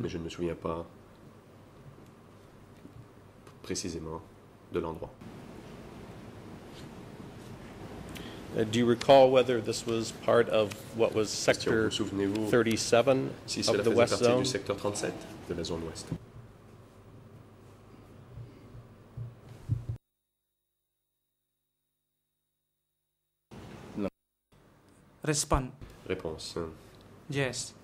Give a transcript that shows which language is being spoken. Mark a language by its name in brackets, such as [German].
[French] Mais je ne me souviens pas précisément de l'endroit. [English] Do you recall whether this was part of what was sector 37 of the West Zone? [French] Si cela faisait partie du secteur 37 de la zone ouest. [English] Respond. [French] Réponse. [English] Yes.